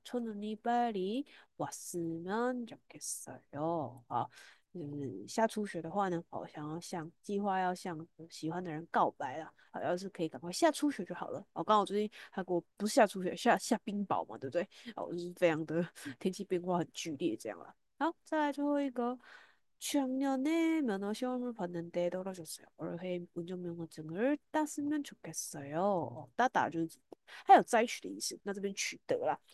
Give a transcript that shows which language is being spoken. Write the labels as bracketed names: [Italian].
[Korean] 첫눈이빨리왔으면좋겠어요。 [Chinese] 好，下初雪的话呢，计划要向喜欢的人告白了。好，要是可以赶快下初雪就好了。刚好最近韩国不是下初雪，下冰雹嘛，对不对？就是非常的天气变化很剧烈这样了。好，再来最后一个。 [Korean] 작년에 면허 시험을 봤는데 떨어졌어요. 올해 운전면허증을 땄으면 좋겠어요. [Chinese] 따다 就是还有摘取的意思，那这边取得啦。